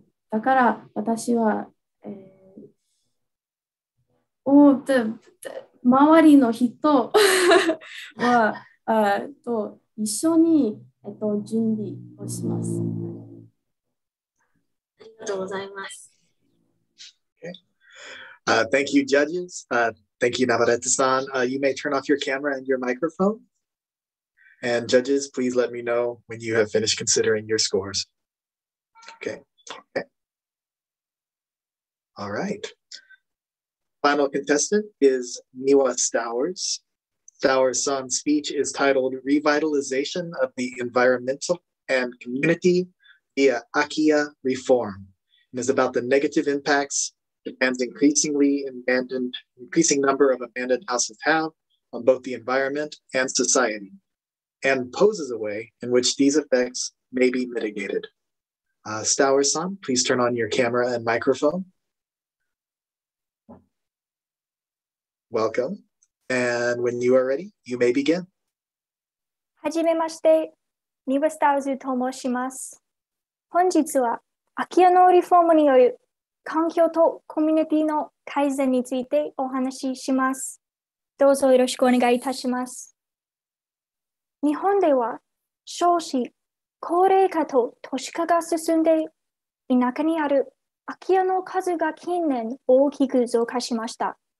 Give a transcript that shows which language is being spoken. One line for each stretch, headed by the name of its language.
Japanese: だから私は周りの人はと一緒に準備をします。ありがとうございます。
English: Okay. Thank you, judges. Thank you, Navarrete-san. You may turn off your camera and your microphone. And judges, please let me know when you have finished considering your scores. Okay. All right. Final contestant is Niwa Stowers. Stowers-san's speech is titled Revitalization of the Environmental and Community via Akiya Reform, and is about the negative impacts Japan's increasing number of abandoned houses have on both the environment and society, and poses a way in which these effects may be mitigated. Stowers-san, please turn on your camera and microphone. Welcome. And when you are ready, you may begin.
Japanese: はじめまして。ニブスターズと申します。本日は空き家のリフォームによる環境とコミュニティの改善についてお話しします。どうぞよろしくお願いいたします。日本では少子高齢化と都市化が進んで、田舎にある空き家の数が近年大きく増加しました。